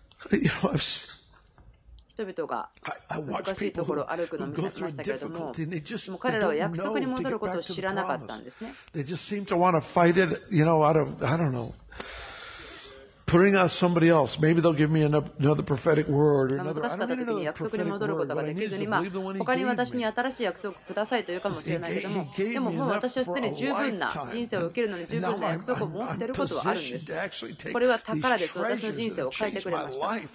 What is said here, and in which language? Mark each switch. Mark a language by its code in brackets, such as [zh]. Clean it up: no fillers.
[ja] 人々が難しいところを歩くのを見てきましたけれども、もう彼らは約束に戻ることを知らなかったんですね。 [en] They just seem to want to fight it, you know, out of, I don't know, putting out somebody else. Maybe they'll give me another prophetic word or another. [ja] 難しかった時に約束に戻ることができずに、まあ他に私に新しい約束をくださいというかもしれないけども、でももう私はすでに十分な人生を受けるのに十分な約束を持っていることはあるんです。これは宝です。私の人生を変えてくれました。